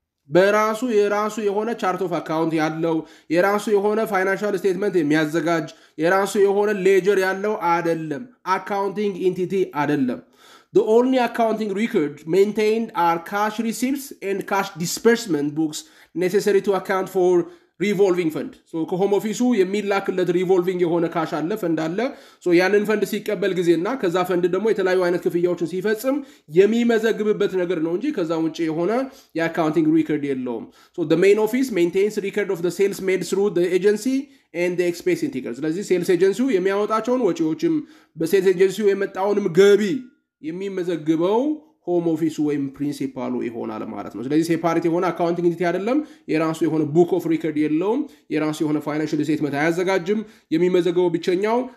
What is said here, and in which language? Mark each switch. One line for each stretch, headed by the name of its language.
Amharic: በራሱ የራሱ የሆነ ቻርት ኦፍ አካውንት ያለው የራሱ የሆነ ፋይናንሻል ስቴትመንት የሚያዘጋጅ የራሱ የሆነ ሌጀር ያለው አይደለም አካውንቲንግ ኤንቲቲ አይደለም
English: The only accounting record maintained are cash receipts and cash disbursement books necessary to account for revolving fund. So ko home office የሚላክለት revolving የሆነ cash አለ fund አለ.
Amharic: So ያንን fund ሲቀበል ጊዜና ከዛ fund ደግሞ የተለያዩ አይነት ክፍያዎችን ሲፈጽም የሚመዘግብበት ነገር ነው እንጂ ከዛ ውጪ የሆነ የaccounting record የለውም.
English: So the main office maintains record of the sales made through the agency and the expense integers.
Amharic: ስለዚህ sales agency የሚያወጣቸውን ወጪዎችም በsales agency የመጣውንም ገቢ የሚመዘግበው ሆም ኦፊስ ወይም ፕሪንሲፓሉ ይሆናል ማለት ነው ስለዚህ ሴፓሬት የሆነ አካውንቲንግ ኢንቲቲ አይደለም የራሱ የሆነ ቡክ ኦፍ ሪከርድ የለውም የራሱ የሆነ ፋይናንሻል ስቴትመንት አያዘጋጅም የሚመዘግበው ብቻኛው